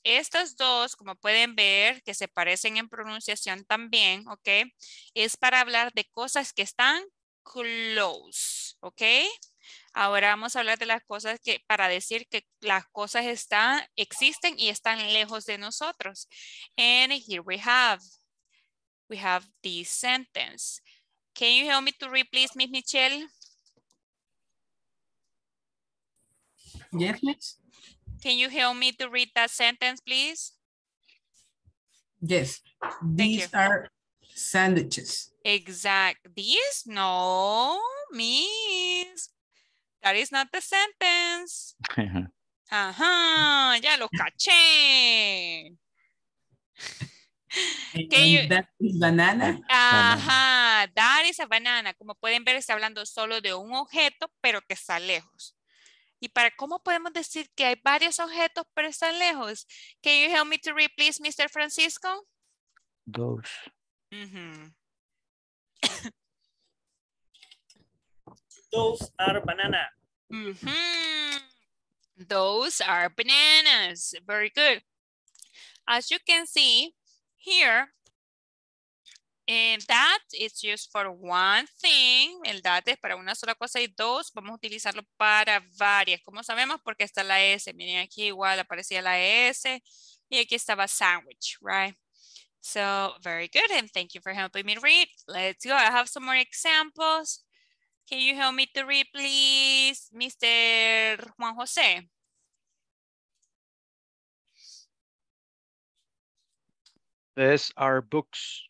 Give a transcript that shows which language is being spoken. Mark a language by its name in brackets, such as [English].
[Spanish] Estas dos, como pueden ver, que se parecen en pronunciación también, ¿ok? Es para hablar de cosas que están close, ¿ok? Ahora vamos a hablar de las cosas que, para decir que las cosas están, existen y están lejos de nosotros. [English] And here we have this sentence. Can you help me to read, please, Miss Michelle? Yes, Miss. Can you help me to read that sentence, please? Yes. These are sandwiches. Exact. These? No, Miss. That is not the sentence. Ajá. [Spanish] Ya lo caché. [English] That is banana. Ajá. That is a banana. [Spanish] Como pueden ver, está hablando solo de un objeto, pero que está lejos. ¿Y para cómo podemos decir que hay varios objetos pero están lejos? [English] Can you help me to read, please, Mr. Francisco? Dos. Mm-hmm. Those are bananas. Mm-hmm. Those are bananas. Very good. As you can see here, and that is used for one thing. [Spanish] El that es para una sola cosa y dos, vamos a utilizarlo para varias. ¿Cómo sabemos? Porque está la S. Miren aquí igual aparecía la S y aquí estaba sandwich, right? [English] So, very good, and thank you for helping me read. Let's go. I have some more examples. Can you help me to read, please, Mr. Juan Jose? These are books.